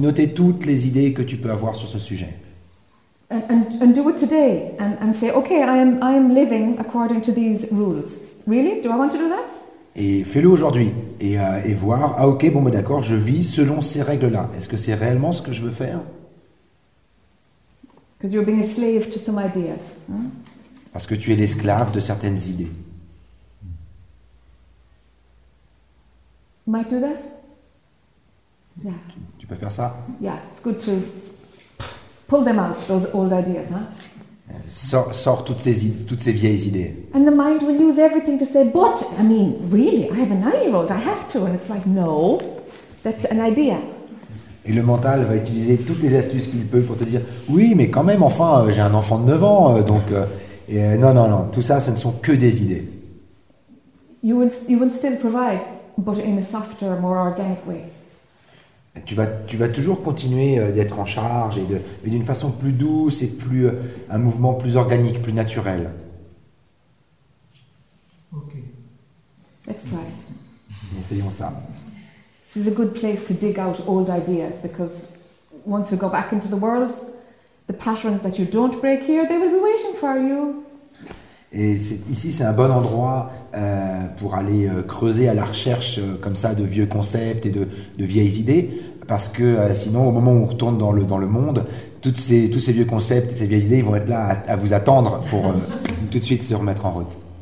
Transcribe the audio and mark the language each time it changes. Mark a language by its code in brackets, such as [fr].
[fr] Notez toutes les idées que tu peux avoir sur ce sujet. [en] And do it today and say, okay, I am living according to these rules. Really? Do I want to do that? [fr] Et fais-le aujourd'hui et voir, ah ok, bon, bah, d'accord, je vis selon ces règles-là. Est-ce que c'est réellement ce que je veux faire? [en] Because you're being a slave to some ideas. [fr] Parce que tu es l'esclave de certaines idées. [en] You might do that? Yeah. [fr] Tu peux faire ça? [en] Yeah, it's good to pull them out, those old ideas, huh? [fr] Sort toutes ces vieilles idées. [en] And the mind will use everything to say, but I mean, really, I have a 9-year-old, I have to, and it's like, no, that's an idea. [fr] Et le mental va utiliser toutes les astuces qu'il peut pour te dire, oui, mais quand même, enfin, j'ai un enfant de 9 ans, donc, non, tout ça, ce ne sont que des idées. [en] You will still provide, but in a softer, more organic way. [fr] Tu vas toujours continuer d'être en charge et mais d'une façon plus douce et plus un mouvement plus organique, plus naturel. [en] Ok. Let's try it. [fr] Essayons ça. [en] This is a good place to dig out old ideas because once we go back into the world, the patterns that you don't break here, they will be waiting for you. [fr] Et c'est un bon endroit pour aller creuser à la recherche comme ça de vieux concepts et de vieilles idées, parce que sinon au moment où on retourne dans le monde, tous ces vieux concepts et ces vieilles idées, ils vont être là à vous attendre pour tout de suite se remettre en route.